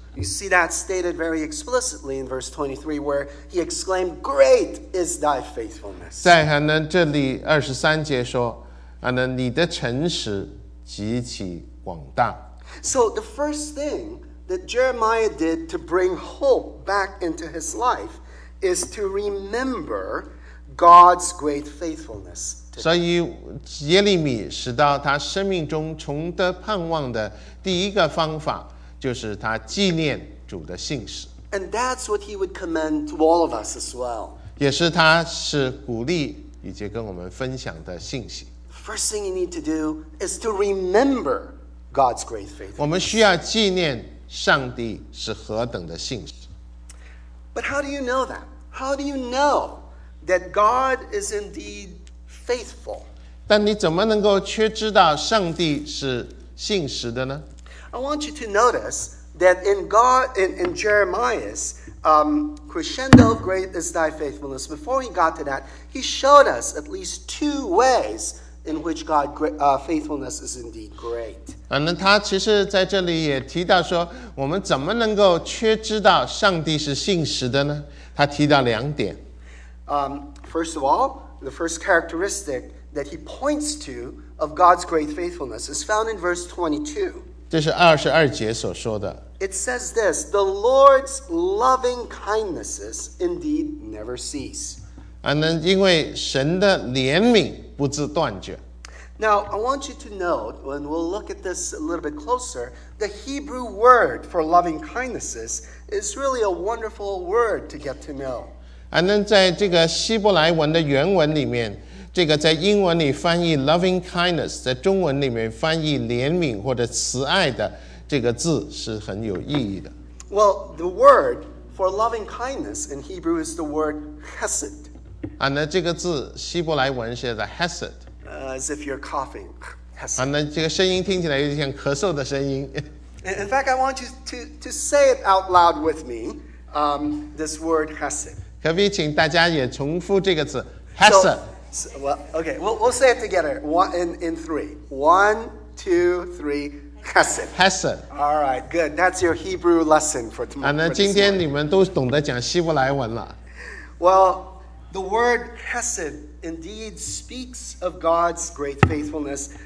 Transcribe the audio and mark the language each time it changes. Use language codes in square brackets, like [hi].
[en] You see that stated very explicitly in verse 23, where he exclaimed, "Great is thy faithfulness." [zh] 在这里二十三节说，你的诚实极其广大。 [en] So the first thing that Jeremiah did to bring hope back into his life is to remember God's great faithfulness. [zh] 所以耶利米使到他生命中重得盼望的第一个方法就是他纪念主的信实。 [en] And that's what he would commend to all of us as well. [zh] 也是他是鼓励以及跟我们分享的信息。 [en] First thing you need to do is to remember God's great faithfulness. [zh] 我们需要纪念上帝是何等的信实。 [en] But how do you know that? How do you know that God is indeed faithful. [zh] 但你怎么能够却知道上帝是信实的呢？ [en] I want you to notice that in God, in Jeremiah's crescendo of great is thy faithfulness, before he got to that, he showed us at least two ways in which God's faithfulness is indeed great. [zh] 那他其实在这里也提到说，我们怎么能够却知道上帝是信实的呢？他提到两点。 [en] First of all, the first characteristic that he points to of God's great faithfulness is found in verse 22. [zh] 这是22节所说的。 [en] It says this, the Lord's loving kindnesses indeed never cease. [zh] 因为神的怜悯不自断绝。 [en] Now, I want you to note, when we'll look at this a little bit closer, the Hebrew word for loving kindnesses is really a wonderful word to get to know. [zh] 在这个希伯来文的原文里面，这个在英文里翻译 [en] loving kindness， [zh] 在中文里面翻译怜悯或者慈爱的这个字是很有意义的。 [en] Well, the word for loving kindness in Hebrew is the word chesed. [zh] 这个字希伯来文写的 chesed。 [en] As if you're coughing. Chesed. [zh] 这个声音听起来有点像咳嗽的声音。 [en] In fact, I want you to say it out loud with me. This word chesed. [zh] 可不可以请大家也重复这个字 chesed？ [en] So, well, we'll say it together. In three. One, two, three. Chesed. Chesed. All right, good. That's your Hebrew lesson for tomorrow. [zh] 今天你们都懂得讲希伯来文了。 [en] Well, the word chesed indeed speaks of God's great faithfulness.